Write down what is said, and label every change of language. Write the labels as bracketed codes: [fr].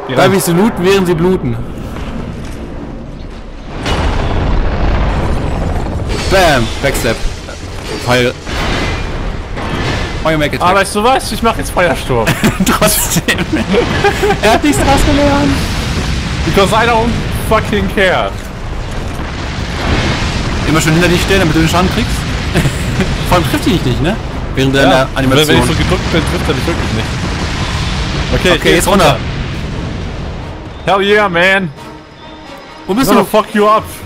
[de] Dabei sie looten, während sie bluten. Bam! Backstep. Feuer. Aber weißt du was? Ich mach jetzt Feuersturm. Trotzdem. Er hat nichts draus gelernt. [en] Because I don't fucking care. [de] Immer schön hinter dich stellen, damit du den Schaden kriegst. Vor allem trifft die dich nicht, ne? Während der Animation. Wenn ich so gedrückt bin, trifft er dich wirklich nicht. Okay, jetzt runter. [en] Hell yeah, man. [de] Wo bist du? [en] Fuck you up.